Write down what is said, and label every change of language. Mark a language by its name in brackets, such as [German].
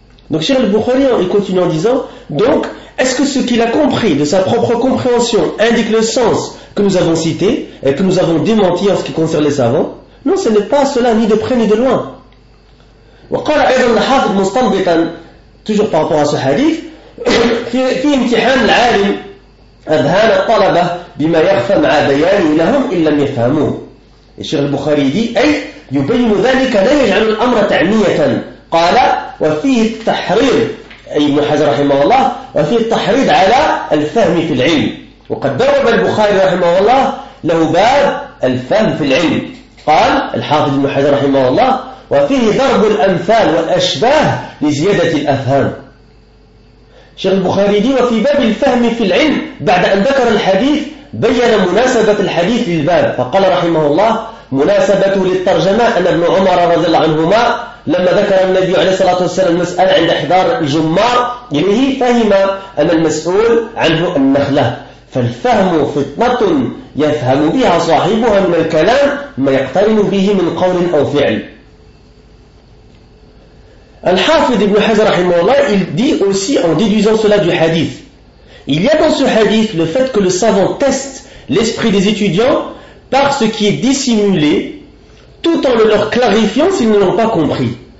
[French] Donc, Cheikh al-Bukhari, il continue en disant, donc, est-ce que ce qu'il a compris de sa propre compréhension indique le sens que nous avons cité et que nous avons démenti en ce qui concerne les savants? Non, ce n'est pas cela, ni de près ni de loin. [Arabic] Wa qala ayda al-hafid mustanbitan, [French] toujours par rapport à ce hadith, [Arabic] fi imtihan al-alim, adhan al-talaba, بما يخفى مع بيانه لهم إن لم يفهموه. الشيخ البخاري دي أي يبين ذلك لا يجعل الأمر تعمية. قال وفيه التحريض أي ابن حجر رحمه الله وفيه التحريض على الفهم في العلم. وقد درب البخاري رحمه الله له باب الفهم في العلم. قال الحافظ ابن حجر رحمه الله وفيه ضرب الأمثال والأشباه لزيادة الأفهام. الشيخ البخاري دي وفي باب الفهم في العلم بعد أن ذكر الحديث بيّن مناسبة الحديث للباب فقال رحمه الله مناسبة للترجمة أن ابن عمر رضي الله عنهما لما ذكر النبي عليه الصلاة والسلام المسألة عند حضار الجمار إليه فهم أن المسؤول عنه النخلة فالفهم فطنة يفهم بها صاحبها من الكلام ما يقترن به من قول أو فعل. الحافظ ابن حجر رحمه الله [French] il dit aussi en déduisant cela du hadith. Il y a dans ce hadith le fait que le savant teste l'esprit des étudiants par ce qui est dissimulé, tout en le leur clarifiant s'ils ne l'ont pas compris.